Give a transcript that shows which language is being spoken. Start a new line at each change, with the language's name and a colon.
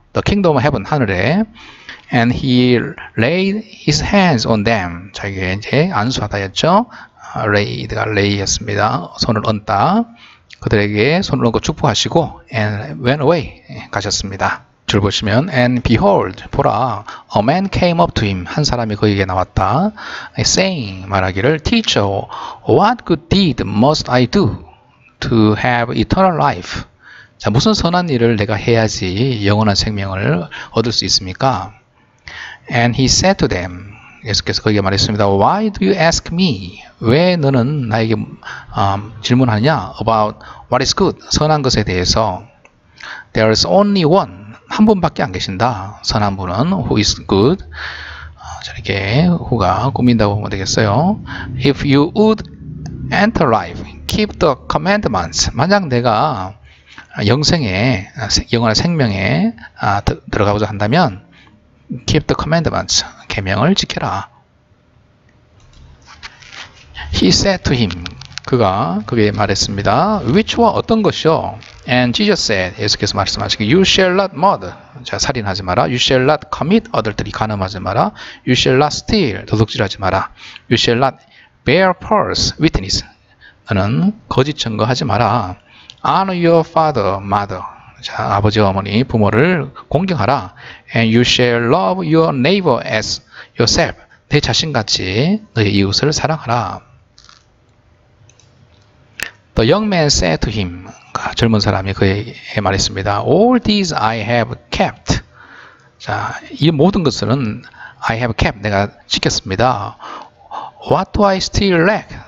English: The kingdom of heaven
Korean: 하늘에
English: and he laid his hands on them.
Korean: 자, 이게 이제 안수하다였죠. Laid가 lay였습니다. 손을 얹다. 그들에게 손을 얹고 축복하시고
English: and went away
Korean: 가셨습니다.
English: 줄 보시면 and behold 보라 a man came up to him
Korean: 한 사람이 그에게 나왔다
English: saying 말하기를 teacher what good deed must I do to have eternal life
Korean: 자 무슨 선한 일을 내가 해야지 영원한 생명을 얻을 수 있습니까
English: and he said to them
Korean: 예수께서 그에게 말했습니다
English: why do you ask me
Korean: 왜 너는 나에게 질문하느냐
English: about what is good 선한 것에 대해서 there is only one
Korean: 한 분밖에 안 계신다. 선한 분은
English: who is good.
Korean: 저렇게 who가 꾸민다고 보면 되겠어요.
English: If you would enter life, keep the commandments.
Korean: 만약 내가 영생에, 영원한 생명에 들어가고자 한다면
English: keep the commandments.
Korean: 계명을 지켜라.
English: He said to him.
Korean: 그가 그에게 말했습니다.
English: Which were 어떤 것이요? And Jesus said,
Korean: 예수께서 말씀하시기,
English: You shall not murder.
Korean: 자, 살인하지 마라.
English: You shall not commit adultery.
Korean: 간음하지 마라.
English: You shall not steal.
Korean: 도둑질하지 마라.
English: You shall not bear false witness.
Korean: 너는 거짓 증거하지 마라.
English: Honor your father, mother.
Korean: 자, 아버지, 어머니, 부모를 공경하라.
English: And you shall love your neighbor as yourself.
Korean: 내 자신같이 너의 이웃을 사랑하라.
English: The young man said to him,
Korean: 젊은 사람이 그에게 말했습니다.
English: All these I have kept.
Korean: 자, 이 모든 것은
English: I have kept.
Korean: 내가 지켰습니다.
English: What do I still lack?